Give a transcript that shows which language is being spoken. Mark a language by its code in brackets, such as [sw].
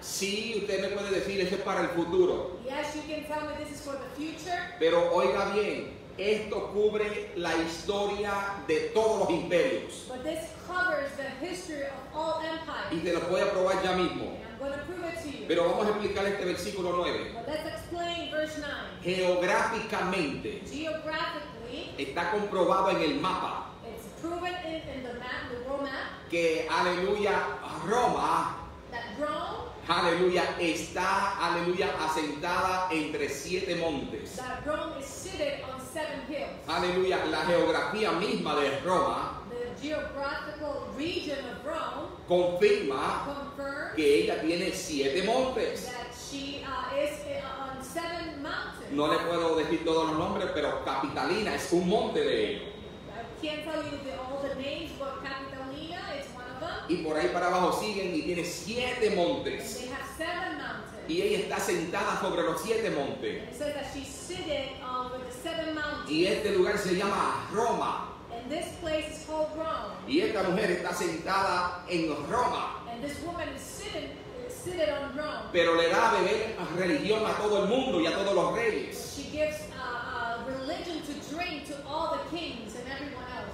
[es] Sí, usted me puede decir, eso es para el futuro. [en] Yes, you can tell me this is for the future. [es] Pero oiga bien, esto cubre la historia de todos los imperios. [en] But this covers the history of all empires. [es] Y te lo voy a probar ya mismo. Pero vamos a explicar este versículo 9. [en] Let's explain verse 9. [es] Geográficamente. [en] Geographically. [es] Está comprobado en el mapa. [en] It's proven in the map, the world map. [es] Que, aleluya, Roma. [en] That Rome. [es] Aleluya, está, aleluya, asentada entre siete montes. [en] That Rome is seated on seven hills. [es] Aleluya, la geografía misma de Roma. [en] Geographical region of Rome [es] confirma [en] confirms [es] que ella tiene siete montes. [en] That she is on seven mountains. [es] No le puedo decir todos los nombres, pero Capitalina es un monte de ella. [en] I can't tell you all the names, but Capitalina is one of them. [es] Y por ahí para abajo siguen y tiene siete montes. [en] And they have seven mountains. [es] Y ella está sentada sobre los siete montes. [en] It says that she's seated on the seven mountains. [es] Y este lugar se llama Roma. [en] This place is called Rome. [es] Y esta mujer está sentada en Roma. [en] And this woman is seated on Rome. [es] Pero le da a beber religión a todo el mundo y a todos los reyes. [en] She gives religion to drink to all the kings and everyone else.